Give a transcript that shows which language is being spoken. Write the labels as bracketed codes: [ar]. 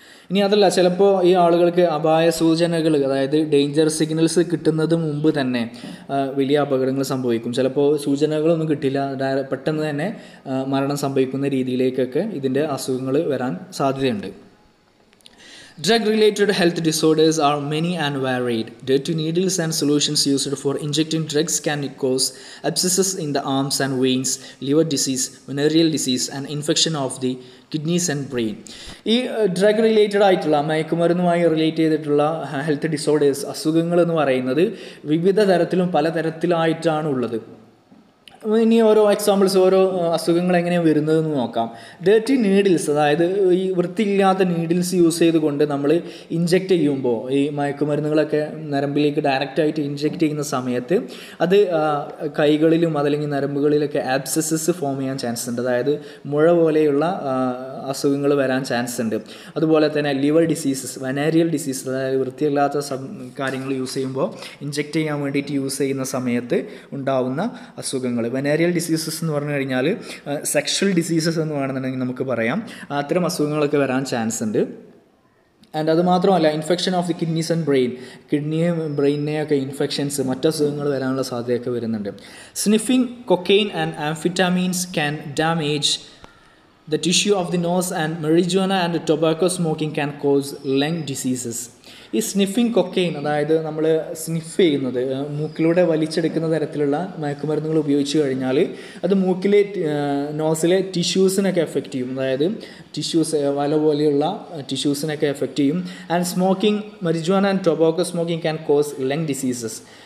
[ml] ഇനി അതല്ല, ചിലപ്പോൾ ഈ ആളുകൾക്ക് അപായ സൂചനകൾ, അതായത് ഡേഞ്ചർ സിഗ്നൽസ് കിട്ടുന്നത് മുമ്പ് തന്നെ വലിയ അപകടങ്ങൾ സംഭവിക്കും. ചിലപ്പോൾ സൂചനകളൊന്നും കിട്ടില്ല, പെട്ടെന്ന് തന്നെ മരണം സംഭവിക്കുന്ന രീതിയിലേക്കൊക്കെ ഇതിൻ്റെ അസുഖങ്ങൾ വരാൻ സാധ്യതയുണ്ട്. [en] Drug related health disorders are many and varied. Due to needles and solutions used for injecting drugs can cause abscesses in the arms and veins, liver disease, venereal disease and infection of the kidneys and brain. [ml] ഈ drug related ആയിട്ടുള്ള, മയക്കുമരുന്നുമായി relate ചെയ്തിട്ടുള്ള health disorders, അസുഖങ്ങൾ എന്ന് പറയുന്നത് വിവിധ തരത്തിലും പലതരത്തിലായിട്ടാണ് ഉള്ളത്. ഇനി ഓരോ എക്സാമ്പിൾസ്, ഓരോ അസുഖങ്ങൾ എങ്ങനെയാണ് വരുന്നതെന്ന് നോക്കാം. ഡേർട്ടി നീഡിൽസ്, അതായത് ഈ വൃത്തിയില്ലാത്ത നീഡിൽസ് യൂസ് ചെയ്തുകൊണ്ട് നമ്മൾ ഇഞ്ചെക്റ്റ് ചെയ്യുമ്പോൾ, ഈ മയക്കുമരുന്നുകളൊക്കെ നരമ്പിലേക്ക് ഡയറക്റ്റായിട്ട് ഇഞ്ചെക്റ്റ് ചെയ്യുന്ന സമയത്ത് അത് കൈകളിലും അതല്ലെങ്കിൽ നരമ്പുകളിലൊക്കെ ആബ്സസസ് ഫോം ചെയ്യാൻ ചാൻസ് ഉണ്ട്. അതായത് മുഴ പോലെയുള്ള അസുഖങ്ങൾ വരാൻ ചാൻസ് ഉണ്ട്. അതുപോലെ തന്നെ ലിവർ ഡിസീസസ്, വനേരിയൽ ഡിസീസ്, അതായത് വൃത്തിയില്ലാത്ത കാര്യങ്ങൾ യൂസ് ചെയ്യുമ്പോൾ ഇഞ്ചെക്റ്റ് ചെയ്യാൻ വേണ്ടിയിട്ട് യൂസ് ചെയ്യുന്ന സമയത്ത് ഉണ്ടാവുന്ന അസുഖങ്ങൾ. വനേരിയൽ ഡിസീസസ് എന്ന് പറഞ്ഞു കഴിഞ്ഞാൽ സെക്ഷൽ ഡിസീസസ് എന്ന് വേണമെന്നുണ്ടെങ്കിൽ നമുക്ക് പറയാം. അത്തരം അസുഖങ്ങളൊക്കെ വരാൻ ചാൻസ് ഉണ്ട്. ആൻഡ് അതുമാത്രമല്ല, [en] infection of the kidneys and brain, [ml] കിഡ്നിയും ബ്രെയിനെയൊക്കെ infections, മറ്റസുഖങ്ങൾ വരാനുള്ള സാധ്യതയൊക്കെ വരുന്നുണ്ട്. [en] Sniffing cocaine and amphetamines can damage the tissue of the nose and marijuana and tobacco smoking can cause lung diseases. [ml] ഈ സ്നിഫിങ് കൊക്കെയിൻ, അതായത് നമ്മൾ സ്നിഫ് ചെയ്യുന്നത് മൂക്കിലൂടെ വലിച്ചെടുക്കുന്ന തരത്തിലുള്ള മയക്കുമരുന്നുകൾ ഉപയോഗിച്ച് കഴിഞ്ഞാൽ അത് മൂക്കിലെ നോസിലെ ടിഷ്യൂസിനൊക്കെ എഫക്റ്റ് ചെയ്യും. അതായത് ടിഷ്യൂസ് വല പോലെയുള്ള ടിഷ്യൂസിനൊക്കെ എഫക്റ്റ് ചെയ്യും. [en] And smoking marijuana and tobacco smoking can cause lung diseases.